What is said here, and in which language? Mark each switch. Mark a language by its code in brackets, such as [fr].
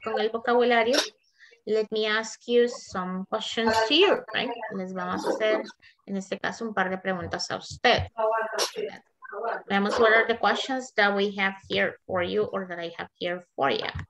[es] Con el vocabulario, [en] let me ask you some questions to you, right? [es] Les vamos a hacer, en este caso, un par de preguntas a usted. Veamos [en] what are the questions that we have here for you or that I have here for you.